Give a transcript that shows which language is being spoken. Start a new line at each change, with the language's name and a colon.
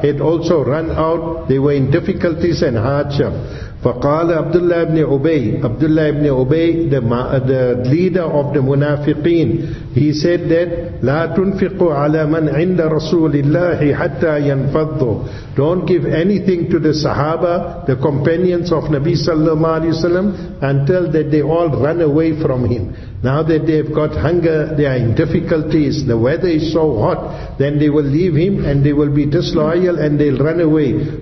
English: had also run out. They were in difficulties and hardship.
Arabic: فقال عبد الله ابن أبي
English: the leader of the
Arabic: منافقين,
English: he said that
Arabic: لا تنفقوا على من عند رسول الله حتى ينفضوا.
English: Don't give anything to the Sahaba, the companions of Nabi sallallahu alaihi wasallam, until that they all run away from him. Now that they have got hunger, they are in difficulties, the weather is so hot, then they will leave him and they will be disloyal and they'll run away.